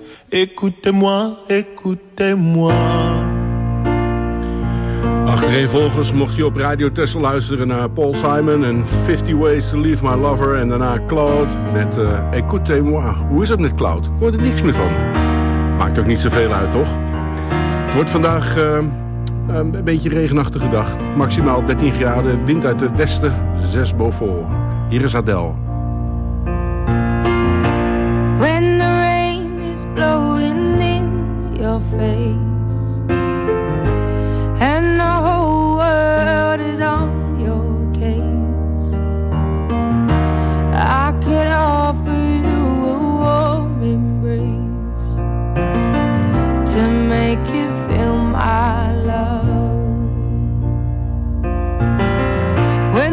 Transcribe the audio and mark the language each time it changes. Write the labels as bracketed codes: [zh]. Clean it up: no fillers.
[fr] Écoutez-moi, écoutez-moi. [nl] Ach, Revolgers, mocht je op Radio Texel luisteren naar Paul Simon en 50 Ways to Leave My Lover en daarna Claude met Écoutez-moi. Hoe is het met Claude? Ik hoor er niks meer van. Maakt ook niet zoveel uit, toch? Het wordt vandaag een beetje een regenachtige dag. Maximaal 13 graden, wind uit het westen, 6 boven. Hier is Adele. [en] When the rain is blowing in your face and the whole world is on your case, I could offer you a warm embrace to make you feel my love.